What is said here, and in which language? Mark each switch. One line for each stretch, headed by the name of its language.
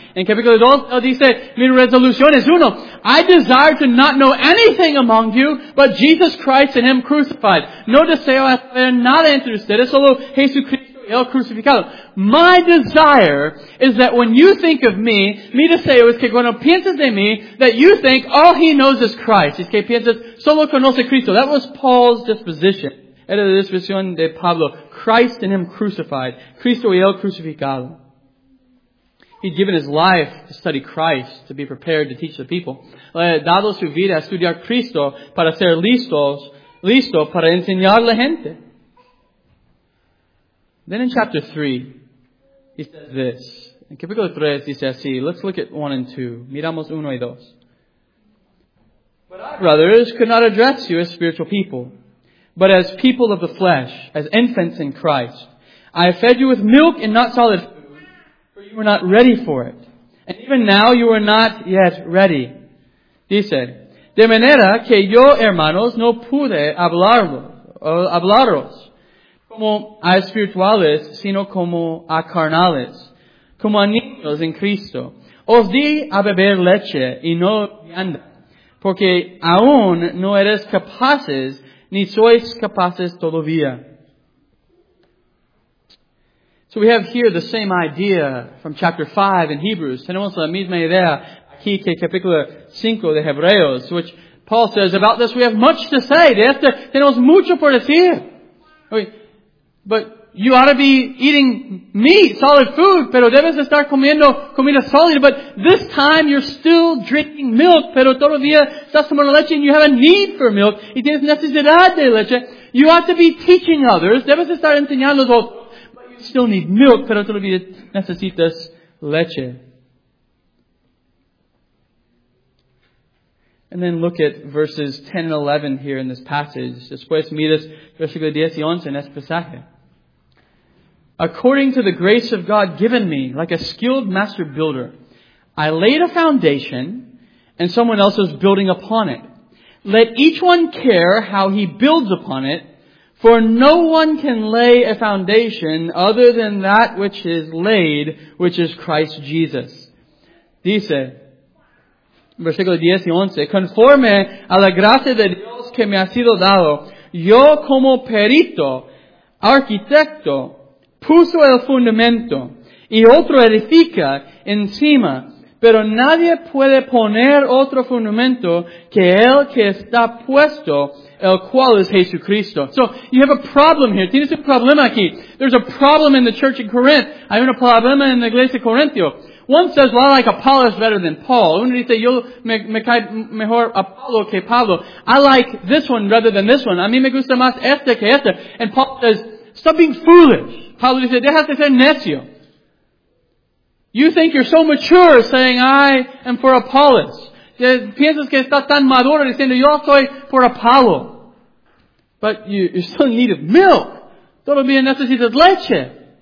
Spanish: En capítulo 2, él dice, mi resolución es uno.
English: I desire to not know anything among you but Jesus Christ and Him crucified.
Spanish: No deseo hacer nada entre ustedes, solo Jesucristo y Él crucificado.
English: My desire is that when you think of me,
Spanish: mi deseo es que cuando pienses de mí,
English: that you think all He knows is Christ.
Spanish: Es que pienses, solo conoce Cristo.
English: That was Paul's disposition.
Spanish: Era la disposición de Pablo.
English: Christ and Him crucified.
Spanish: Cristo y Él crucificado.
English: He'd given his life to study Christ, to be prepared to teach the people.
Spanish: Le ha dado su vida a estudiar Cristo para ser listo para enseñar la gente.
English: Then in chapter 3, he says this.
Spanish: En capítulo 3, dice así.
English: Let's look at 1 and 2.
Spanish: Miramos 1 y 2.
English: But I, brothers, could not address you as spiritual people, but as people of the flesh, as infants in Christ. I have fed you with milk and not solid food, you were not ready for it. And even now you are not yet ready.
Spanish: Dice, de manera que yo, hermanos, no pude hablaros como a espirituales, sino como a carnales, como a niños en Cristo. Os di a beber leche y no vianda, porque aún no eres capaces, ni sois capaces todavía.
English: So we have here the same idea from chapter 5 in Hebrews.
Spanish: Tenemos la misma idea aquí que capítulo 5 de Hebreos,
English: which Paul says about this, we have much to say.
Spanish: De esto tenemos mucho por decir.
English: But you ought to be eating meat, solid food,
Spanish: pero debes estar comiendo comida sólida.
English: But this time you're still drinking milk,
Spanish: pero todavía estás tomando leche
English: and you have a need for milk.
Spanish: Y tienes necesidad de leche.
English: You ought to be teaching others.
Spanish: Debes estar enseñando a otros.
English: Still need milk,
Spanish: pero todavía necesitas leche.
English: And then look at verses 10 and 11 here in this passage.
Spanish: Después miras versículo 10 y 11 en este pasaje.
English: According to the grace of God given me, like a skilled master builder, I laid a foundation and someone else is building upon it. Let each one care how he builds upon it. For no one can lay a foundation other than that which is laid, which is Christ Jesus.
Spanish: Dice, versículo 10 y 11, conforme a la gracia de Dios que me ha sido dado, yo como perito, arquitecto, puso el fundamento, y otro edifica encima, pero nadie puede poner otro fundamento que el que está puesto, el cual es Jesucristo.
English: So, you have a problem here.
Spanish: Tienes un problema aquí.
English: There's a problem in the church in Corinth.
Spanish: Hay un problema en la iglesia Corintio.
English: One says, well, I like Apollos better than Paul.
Spanish: Uno dice, yo me cae mejor Apollo que Pablo.
English: I like this one rather than this one.
Spanish: A mí me gusta más este que este.
English: And Paul says, stop being foolish.
Spanish: Pablo dice, deja de ser necio.
English: You think you're so mature saying, I am for Apollos.
Spanish: Piensas que estás tan maduro diciendo, yo soy por Apolo.
English: But you still need milk.
Spanish: Todavía necesitas leche.